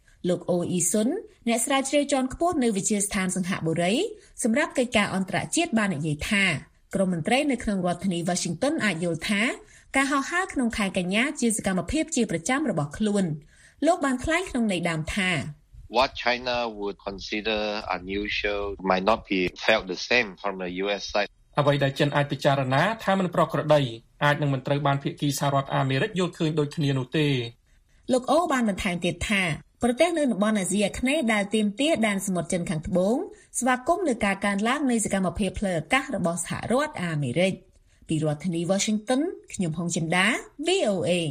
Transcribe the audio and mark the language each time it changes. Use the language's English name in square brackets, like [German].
[Khmer] លោកអូអ៊ីសុនអ្នកស្រាវជ្រាវជាន់ខ្ពស់នៅវិទ្យាស្ថានសង្ហបុរីសម្រាប់កិច្ចការអន្តរជាតិបាននិយាយថាក្រុមមន្ត្រីនៅក្នុងរដ្ឋធានី Washington អាចយល់ថាការហោះហើរក្នុងខែកញ្ញាជាសកម្មភាពជាប្រចាំរបស់ខ្លួនលោកបានថ្លែងក្នុងន័យដើមថា [English] What China would consider unusual might not be felt the same from the US side. [Khmer] អ្វីដែលចិនអាចពិចារណាថាមិនប្រក្រតីអាចនឹងមិនត្រូវបានភាគីសហរដ្ឋអាមេរិកយល់ឃើញដូចគ្នានោះទេ ។លោកអូបានបន្ថែមទៀតថាប្រទេសនៅតំបន់អាស៊ីអាគ្នេយ៍ដែលទាមទារដែនសមុទ្រចិនខាងត្បូងស្វាគមន៍នឹងការកើនឡើងនៃសកម្មភាពផ្លូវអាកាសរបស់សហរដ្ឋអាមេរិក។ពីរដ្ឋធានី Washington ខ្ញុំហុងចិនដា VOA